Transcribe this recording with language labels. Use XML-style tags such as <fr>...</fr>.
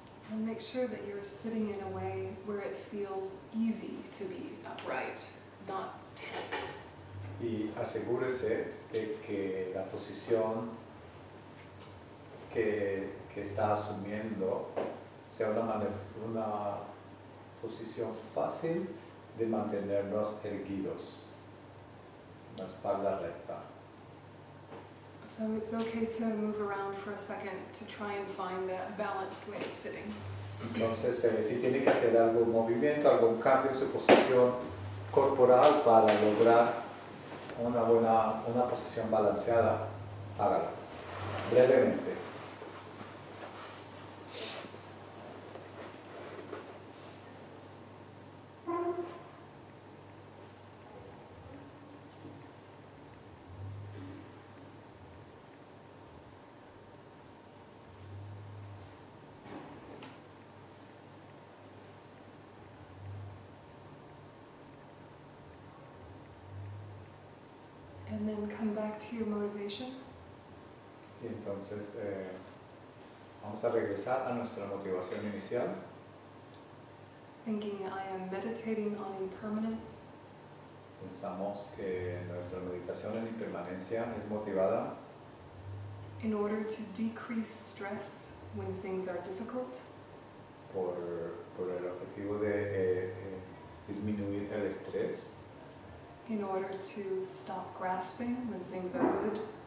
<en>And make sure that you're sitting in a way where it feels easy to be upright, not tense.</en> <es>Y asegúrese de que la posición que está asumiendo sea una posición fácil de mantenernos erguidos. La espalda recta.</es> <en>So it's okay to move around for a second to try and find that balanced way of sitting.</en> <es>Entonces, si tiene que hacer algún movimiento, algún cambio en su posición corporal para lograr una posición balanceada, hágalo. Brevemente.</es> <en>And then come back to your motivation.</en> <es>Y entonces vamos a regresar a nuestra motivación inicial.</es> <en>Thinking I am meditating on impermanence.</en> <es>Pensamos que nuestra meditación en impermanencia es motivada.</es> <en>In order to decrease stress when things are difficult.</en> <es>Por el objetivo de disminuir el estrés.</es> <en>In order to stop grasping when things are good.</en>